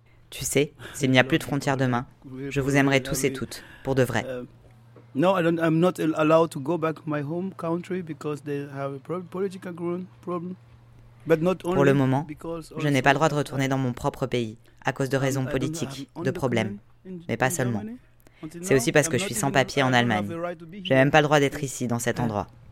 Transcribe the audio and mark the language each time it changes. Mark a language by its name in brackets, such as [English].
[French] Tu sais, s'il n'y a plus de frontières demain, je vous aimerai tous et toutes, pour de vrai. [English] No, I don't. I'm not allowed to go back to my home country because they have a political problem. But not only. [French] Pour le moment, je n'ai pas le droit de retourner dans mon propre pays à cause de raisons politiques, de problèmes, mais pas seulement. C'est aussi parce que je suis sans papier en Allemagne. J'ai même pas le droit d'être ici, dans cet endroit.